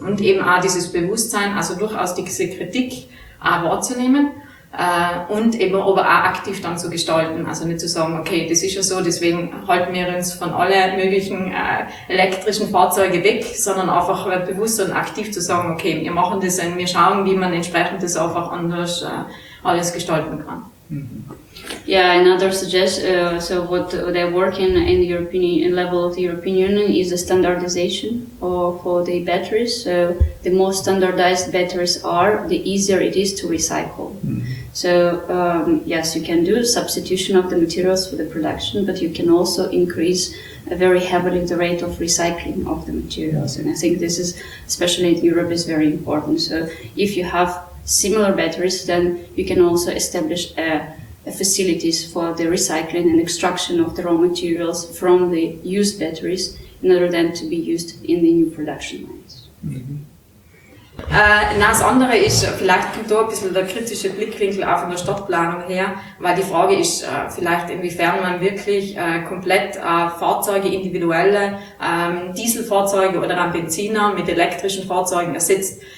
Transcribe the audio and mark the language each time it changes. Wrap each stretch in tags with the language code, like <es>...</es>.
<de>Und eben auch dieses Bewusstsein, also durchaus diese Kritik auch wahrzunehmen und eben aber auch aktiv dann zu gestalten. Also nicht zu sagen, okay, das ist ja so, deswegen halten wir uns von allen möglichen elektrischen Fahrzeugen weg, sondern einfach bewusst und aktiv zu sagen, okay, wir machen das und wir schauen, wie man entsprechend das einfach anders alles gestalten kann.</de> <en>Yeah, another suggestion, so what they're working in the European level of the European Union is the standardization for the batteries. So the more standardized batteries are, the easier it is to recycle. So yes, you can do substitution of the materials for the production, but you can also increase very heavily the rate of recycling of the materials. And I think this is, especially in Europe, is very important. So if you have similar batteries, then you can also establish facilities for the recycling and extraction of the raw materials from the used batteries in order then to be used in the new production lines.</en> <de>Das andere ist, vielleicht kommt da ein bisschen der kritische Blickwinkel auch von der Stadtplanung her, weil die Frage ist vielleicht, inwiefern man wirklich komplett Fahrzeuge, individuelle Dieselfahrzeuge oder ein Benziner mit elektrischen Fahrzeugen ersetzt.</de>